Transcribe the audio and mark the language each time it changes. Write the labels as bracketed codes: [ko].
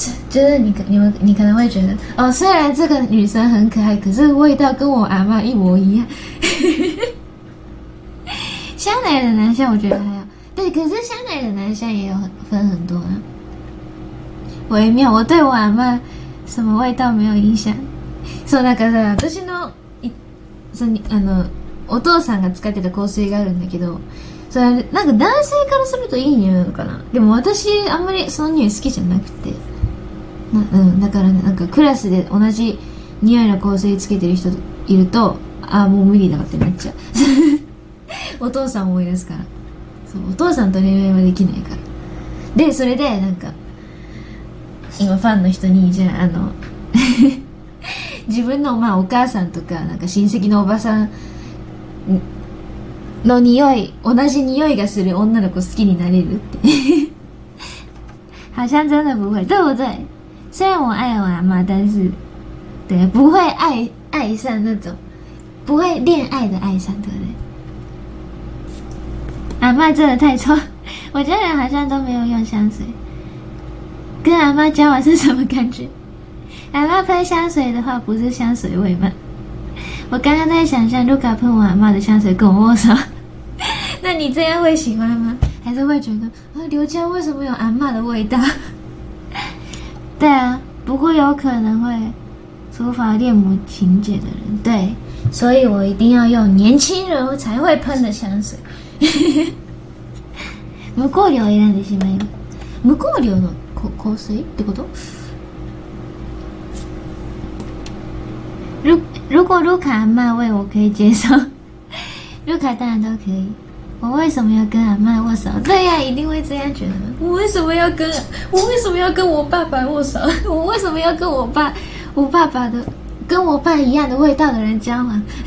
[zh] 就是你可能会觉得哦，虽然这个女生很可爱，可是味道跟我阿嬷一模一样。香奈儿的男香我觉得还好，对，可是香奈儿的男香也有分很多啊，微妙。我对我阿嬷什么味道没有印象。 [ja] そうだからさ、私のそのあのお父さんが使ってた香水があるんだけど、それなんか男性からするといい匂いなのかな。でも私あんまりその匂い好きじゃなくて。だからなんかクラスで同じ匂いの香水つけてる人いると、あーもう無理だってなっちゃう。お父さん思い出すから。そう、お父さんと恋愛はできないから。でそれでなんか今ファンの人に、じゃああの自分のまあお母さんとかなんか親戚のおばさんの匂い、同じ匂いがする女の子好きになれるって。 [zh] 好像真的不会、对不对？虽然我爱我阿嬷，但是，对，不会爱上那种，不会恋爱的爱上，对不对？阿嬷真的太臭，我家人好像都没有用香水。跟阿嬷交往是什么感觉？阿嬷喷香水的话不是香水味吗？我刚刚在想象 Luca 喷我阿嬷的香水跟我握手，那你这样会喜欢吗？还是会觉得刘家为什么有阿嬷的味道？对啊，不过有可能会触发恋母情节的人，对，所以我一定要用年轻人才会喷的香水。 [ja] 無香料を選んでしまいます。無香料の香水ってこと？ [zh] 如果ルカ阿嬷味我可以接受，ルカ当然都可以。我为什么要跟阿嬷握手？对呀，一定会这样觉得。我为什么要跟我爸爸握手？我为什么要跟我爸爸一样的味道的人交往？